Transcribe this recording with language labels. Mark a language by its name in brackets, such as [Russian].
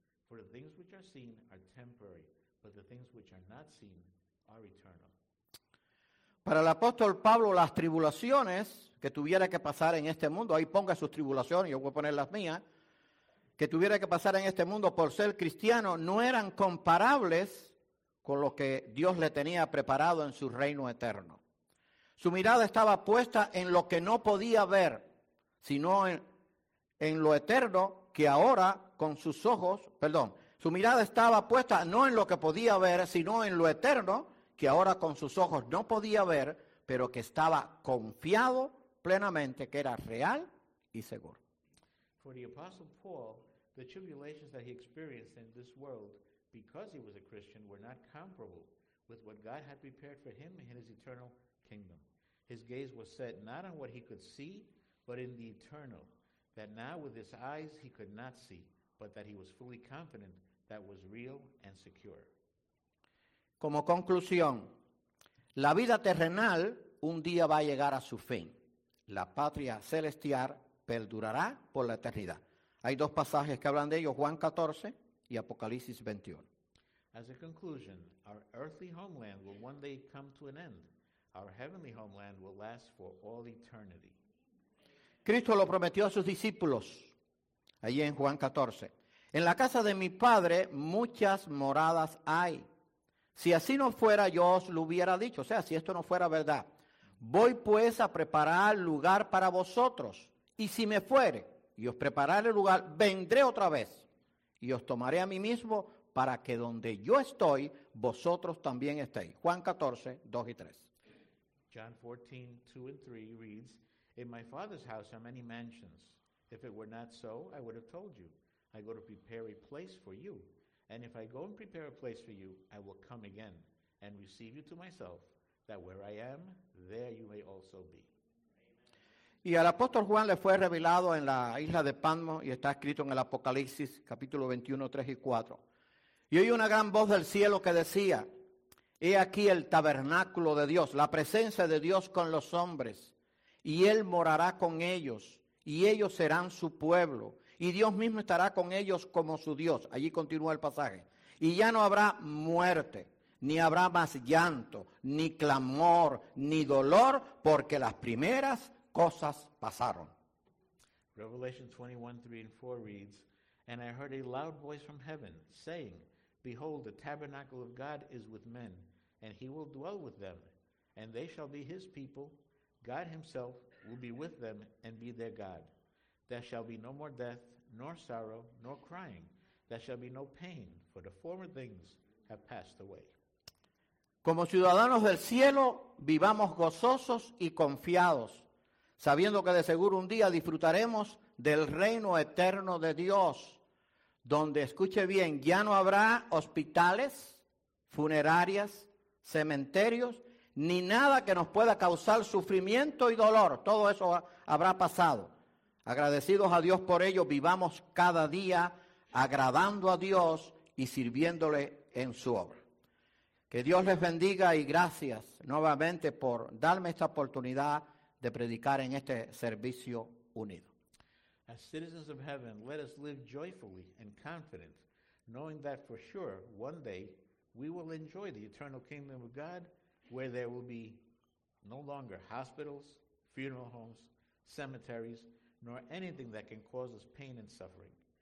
[English] For the things which are seen are temporary, but the things which are not seen are eternal. [Spanish] Para el apóstol Pablo, las tribulaciones que tuviera que pasar en este mundo, ahí ponga sus tribulaciones, yo voy a poner las mías, que tuviera que pasar en este mundo por ser cristiano, no eran comparables con lo que Dios le tenía preparado en su reino eterno. Su mirada estaba puesta en lo que no podía ver, sino en lo eterno que ahora con sus ojos, perdón, su mirada estaba puesta no en lo que podía ver, sino en lo eterno, que ahora con sus ojos no podía ver, pero que estaba confiado plenamente que era real y seguro. [English] For the Apostle Paul, the tribulations that he experienced in this world, because he was a Christian, were not comparable with what God had prepared for him in his eternal kingdom. His gaze was set not on what he could see, but in the eternal, that now with his eyes he could not see, but that he was fully confident that was real and secure. [Spanish] Como conclusión, la vida terrenal un día va a llegar a su fin. La patria celestial perdurará por la eternidad. Hay dos pasajes que hablan de ello, Juan 14 y Apocalipsis 21. [English] As a conclusion, our earthly homeland will one day come to an end. Our heavenly homeland will last for all eternity. [Spanish] Cristo lo prometió a sus discípulos, allí en Juan 14. En la casa de mi Padre muchas moradas hay. Si así no fuera, yo os lo hubiera dicho. O sea, si esto no fuera verdad. Voy pues a preparar lugar para vosotros. Y si me fuere y os prepararé lugar, vendré otra vez. Y os tomaré a mí mismo para que donde yo estoy, vosotros también estéis. Juan 14, 2 y 3. [English] John 14, 2 and 3 reads, in my Father's house are many mansions. If it were not so, I would have told you. I go to prepare a place for you. And if I go and prepare a place for you, I will come again and receive you to myself, that where I am, there you may also be. [Spanish] Y al apóstol Juan le fue revelado en la isla de Patmos y está escrito en el Apocalipsis, capítulo 21, 3 y 4. Y oí una gran voz del cielo que decía, he aquí el tabernáculo de Dios, la presencia de Dios con los hombres, y Él morará con ellos, y ellos serán su pueblo. Y Dios mismo estará con ellos como su Dios. Allí continúa el pasaje. Y ya no habrá muerte, ni habrá más llanto, ni clamor, ni dolor, porque las primeras cosas pasaron. [English] Revelation 21, 3 and 4 reads, and I heard a loud voice from heaven, saying, behold, the tabernacle of God is with men, and he will dwell with them, and they shall be his people. God himself will be with them and be their God. There shall be no more death, nor sorrow, nor crying. There shall be no pain, for For the former things have passed away. [Spanish] Como ciudadanos del cielo, vivamos gozosos y confiados, sabiendo que de seguro un día disfrutaremos del reino eterno de Dios, donde, escuche bien, ya no habrá hospitales, funerarias, cementerios, ni nada que nos pueda causar sufrimiento y dolor. Todo eso habrá pasado. Agradecidos a Dios por ello, vivamos cada día agradando a Dios y sirviéndole en su obra. Que Dios les bendiga y gracias nuevamente por darme esta oportunidad de predicar en este servicio unido. [English] As citizens of heaven, let us live joyfully and confident, knowing that for sure one day we will enjoy the eternal kingdom of God, where there will be no longer hospitals, funeral homes, cemeteries, nor anything that can cause us pain and suffering.